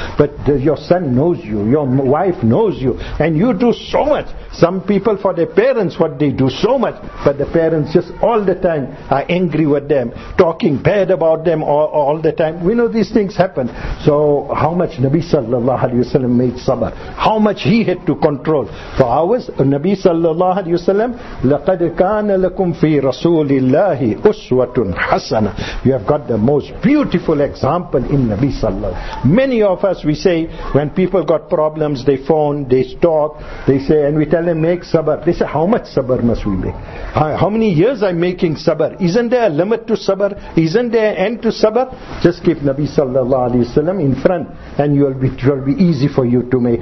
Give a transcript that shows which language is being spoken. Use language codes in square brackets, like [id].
[en] But your son knows you, your wife knows you, and you do so much. Some people, for their parents, what they do so much, but the parents just all the time are angry with them, talking bad about them all the time. We know these things happen. So how much Nabi sallallahu alayhi wa sallam made sabr? How much he had to control? For hours, [ar] Nabi sallallahu alayhi wa sallam, لَقَدْ كَانَ لَكُمْ فِي رَسُولِ اللَّهِ أُسْوَةٌ حَسَنًا. [en] You have got the most beautiful example in Nabi sallallahu alayhi wa sallam. Many of us, we say, when people got problems, they phone, they talk, they say, and we tell them, make sabr. They say, how much sabr must we make? How many years I'm making sabr? Isn't there a limit to sabr? Isn't there an end to sabr? Just keep Nabi sallallahu alayhi wa sallam in front, and it will be easy for you to make.